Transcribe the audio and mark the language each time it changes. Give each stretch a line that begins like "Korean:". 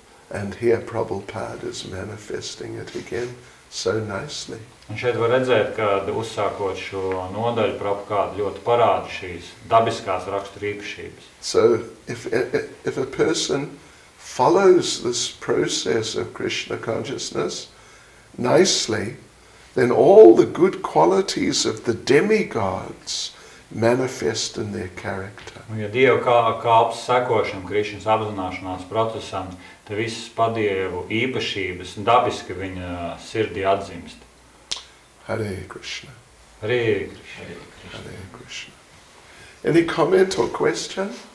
English: And here Prabhupāda is manifesting it again so nicely.
Latvian: Un šeit var redzēt, ka uzsākot šo nodaļu, Prabhupāda ļoti parāda šīs dabiskās rakstura īpašības.
English: So if a person follows this process of Krishna consciousness nicely, then all the good qualities of the demigods manifest in their character.
Latvian: Un ja Dieva kalps sekošam Krišnas apzināšanās procesam, te visas padievu īpašības dabiski viņa sirdī atzimst.
Sanskrit: Hare Krishna. Hare Krishna.
English: Hare Krishna. Any comment or question?